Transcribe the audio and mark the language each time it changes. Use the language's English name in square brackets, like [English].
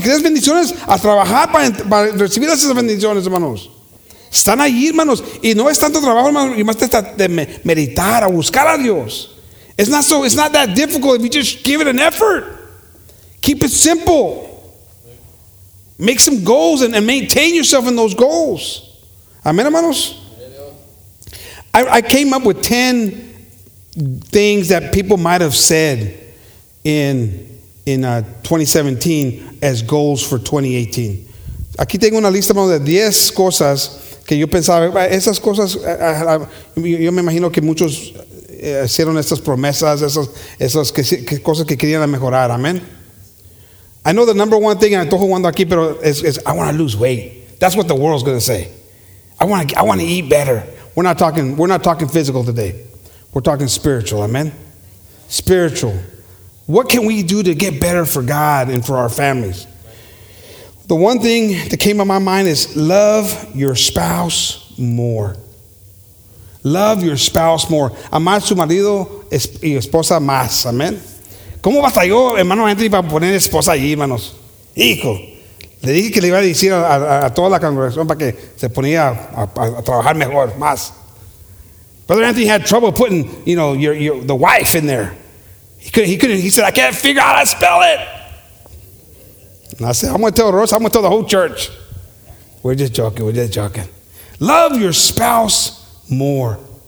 [Spanish] Si quieres bendiciones, a trabajar para recibir esas bendiciones, hermanos. Están ahí, hermanos. Y no es tanto trabajo, hermanos. Y más de meditar, a buscar a Dios. [English] It's not that difficult if you just give it an effort. Keep it simple. Make some goals and maintain yourself in those goals. [Spanish] Amén, hermanos. [English] I came up with 10 things that people might have said in 2017 as goals for 2018. [Spanish] Aquí tengo una lista de 10 cosas que yo pensaba. Esas cosas, yo me imagino que muchos hicieron estas promesas, esas cosas que querían mejorar. [English] Amen. I know the number one thing, I [Spanish] estoy jugando aquí, pero es [English] I want to lose weight. That's what the world's going to say. I want to eat better. We're not talking physical today. We're talking spiritual. Amen. Spiritual. What can we do to get better for God and for our families? The one thing that came on my mind is love your spouse more. Love your spouse more. [Spanish] Amar su marido y esposa más. Amen. ¿Cómo vas a yo, hermano Anthony, para poner esposa allí, hermanos? Hijo. Le dije que le iba a decir a toda la congregación para que se ponía a trabajar mejor, más. [English] Brother Anthony had trouble putting, you know, your the wife in there. He said, I can't figure out how to spell it. And I said, I'm going to tell Rosa, I'm going to tell the whole church. We're just joking. Love your spouse more.